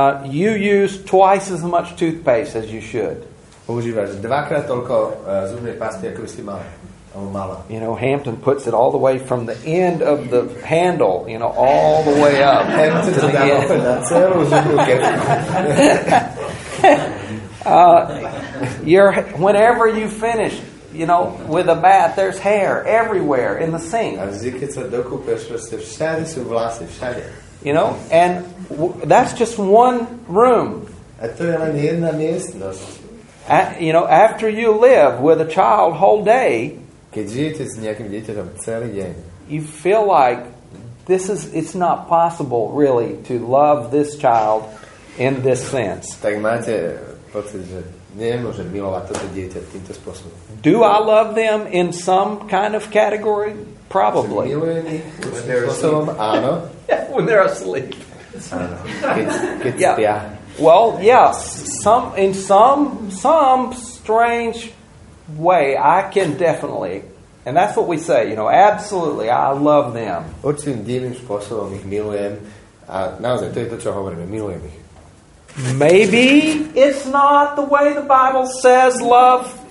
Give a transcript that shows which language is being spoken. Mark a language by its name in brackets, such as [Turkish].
[English] You use twice as much toothpaste as you should. [Slovak] Používaš dvakrát toľko zubnej pasty, ako by si mal. [English] You know, Hampton puts it all the way from the end of the handle, you know, all the way up. Hampton to the end. Whenever you finish, you know, with a bath, there's hair everywhere in the sink. [Slovak] A vždy, keď sa dokúpeš, proste všade sú vlasy, všade. [English] You know, and that's just one room. [Slovak] A to je len jedna miestnosť. [English] You know, after you live with a child whole day, [Slovak] keď žijete s nejakým dieťaťom celý deň, [English] you feel like this is, it's not possible really to love this child in this sense. [Slovak] Tak máte pocit, že nemôžem milovať toto dieťa týmto spôsobom. [English] Do I love them in some kind of category? Probably. [Slovak] Áno. [English] When they're asleep. [Slovak] Áno. Keď spia. [English] Well, yes. In some strange way, I can definitely, and that's what we say, you know, absolutely, I love them. [Slovak] Určitým divným spôsobom ich milujem. A naozaj, to je to, čo hovoríme, milujem ich. [English] Maybe it's not the way the Bible says love